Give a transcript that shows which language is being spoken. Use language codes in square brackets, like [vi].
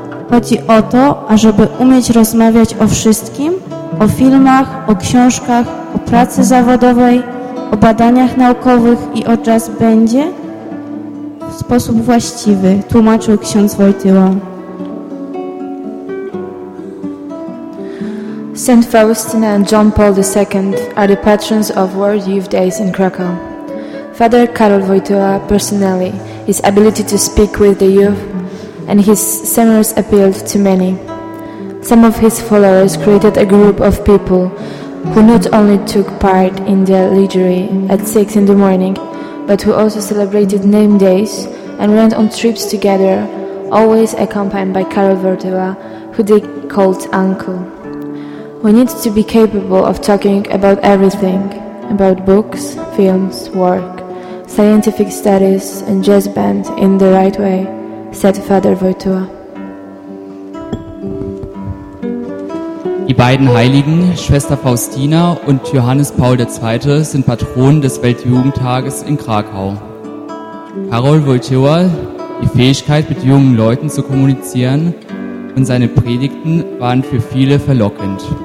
[pl] Chodzi o to, ażeby umieć rozmawiać o wszystkim, o filmach, o książkach, o pracy zawodowej, o badaniach naukowych i o jazzbandzie w sposób właściwy, tłumaczył ksiądz Wojtyła. [en] St. Faustina and John Paul II are the patrons of World Youth Days in Krakow. Father Karol Wojtyła personally, his ability to speak with the youth and his seminars appealed to many. Some of his followers created a group of people who not only took part in the liturgy at 6 in the morning, but who also celebrated name days and went on trips together, always accompanied by Karol Wojtyła, who they called uncle. We need to be capable of talking about everything, about books, films, work, scientific studies and jazz band in the right way, said Father Wojtyła. [de] Die beiden Heiligen, Schwester Faustina und Johannes Paul II, sind Patronen des Weltjugendtages in Krakau. Karol Wojtyła, die Fähigkeit mit jungen Leuten zu kommunizieren und seine Predigten waren für viele verlockend.